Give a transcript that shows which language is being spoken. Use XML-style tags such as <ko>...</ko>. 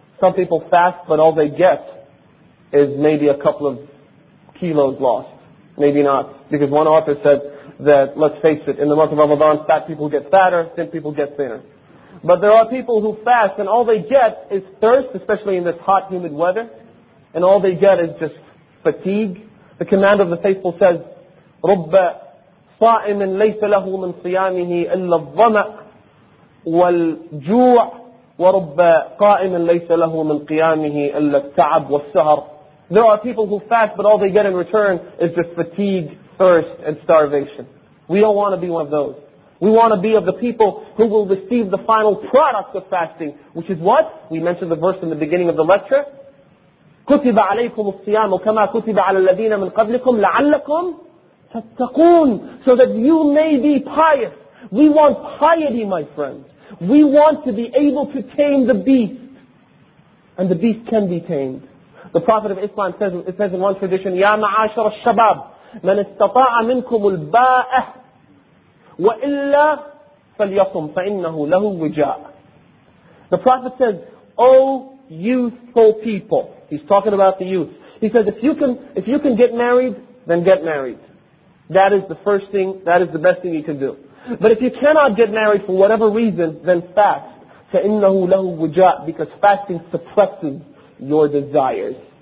<en>Some people fast, but all they get is maybe a couple of kilos lost. maybe not. Because one author said that, let's face it, in the month of Ramadan, fat people get fatter, thin people get thinner. But there are people who fast and all they get is thirst, especially in this hot, humid weather. And all they get is just fatigue. The commander of the faithful says,</en> <ar>رُبَّ صَائِمٍ لَيْسَ لَهُ مِنْ صِيَامِهِ إِلَّا الظَّمَأْ وَالْجُوعِ وَرُبَّ قَائِمٍ لَيْسَ لَهُ مِنْ قِيَامِهِ إِلَّا التَّعَبْ وَالسَّهَرْ.</ar> <en>There are people who fast, but all they get in return is just fatigue, thirst, and starvation. We don't want to be one of those. We want to be of the people who will receive the final product of fasting, which is what? We mentioned the verse in the beginning of the lecture.</en> <ar>كُتِبَ عَلَيْكُمُ الصِّيَامُ كَمَا كُتِبَ عَلَى الَّذِينَ مِنْ قَبْلِكُمْ لَعَلَّكُمْ تَتَّقُونَ.</ar> <en>So that you may be pious. We want piety, my friends. We want to be able to tame the beast. And the beast can be tamed. The Prophet of Islam says, it says in one tradition,</en> <ar>يَا مَعَاشَرَ الشَّبَابِ مَنْ اسْتَطَاعَ مِنْكُمُ الْبَاءَةِ وَإِلَّا فَلْيَصُمْ فَإِنَّهُ لَهُ وِجَاءَ.</ar> <en>The Prophet says, O youthful people. He's talking about the youth. He says, if you can get married, then get married. That is the first thing, that is the best thing you can do. But if you cannot get married for whatever reason, then fast.</en> <ar>فَإِنَّهُ لَهُ وِجَاءَ.</ar> <en>Because fasting suppresses your desires.</en>